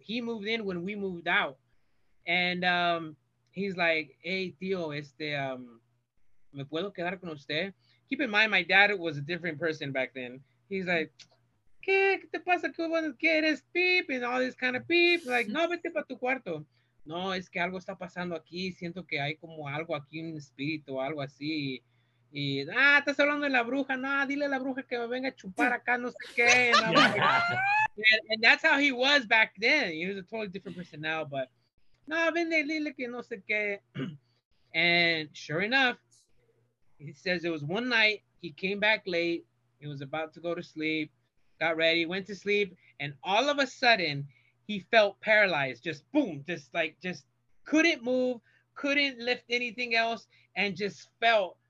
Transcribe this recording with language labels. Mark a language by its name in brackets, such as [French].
[English] He moved in when we moved out, and he's like, hey [Spanish] tío, me puedo quedar con usted? [English] Keep in mind, my dad was a different person back then. He's like, [Spanish] ¿Qué te pasa? ¿Qué eres? [English] Beep, and all this kind of beep. [Spanish] Like, no, vete para tu cuarto. No, es que algo está pasando aquí. Siento que hay como algo aquí, un espíritu, algo así. Y, estás hablando de la bruja. No, dile a la bruja que me venga a chupar acá, no sé qué. [English] And, and that's how he was back then. He was a totally different person now, but [Spanish] no, ven de dile que no sé qué. [English] And sure enough, he says it was one night. He came back late. He was about to go to sleep. Got ready, went to sleep, and all of a sudden, he felt paralyzed, just boom, just couldn't move, couldn't lift anything else, and just felt